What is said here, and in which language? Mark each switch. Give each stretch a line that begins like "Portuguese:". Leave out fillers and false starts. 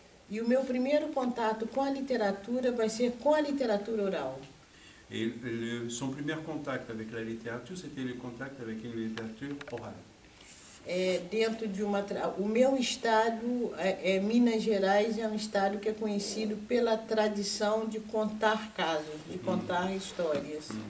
Portuguese: E o meu primeiro contato com a literatura vai ser com a literatura oral.
French: Son premier contact avec la littérature, c'était le contact avec une littérature orale.
Portuguese: Dentro de uma o meu estado Minas Gerais é um estado que é conhecido pela tradição de contar casos, de contar histórias.